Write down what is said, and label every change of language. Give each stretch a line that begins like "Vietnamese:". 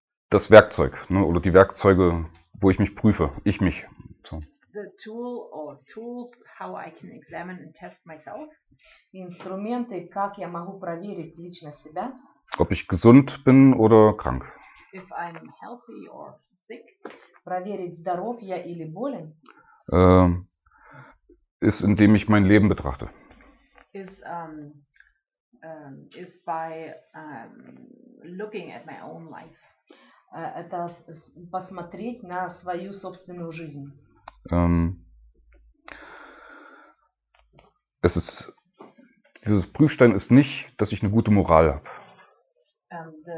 German: Das Werkzeug, ne, oder die Werkzeuge, wo ich mich prüfe, ich mich. So.
English: The tool or tools, how I can examine and test myself.
Russian: Инструменты, как я могу проверить лично себя.
German: Ob ich gesund bin oder krank.
English: If I'm healthy or sick.
Russian: Проверить, здоров я или болен.
German: Ist, indem ich mein Leben betrachte.
English: Looking at my own life.
Russian: Это посмотреть на свою собственную жизнь.
German: Dieses Prüfstein ist nicht, dass ich eine gute Moral habe.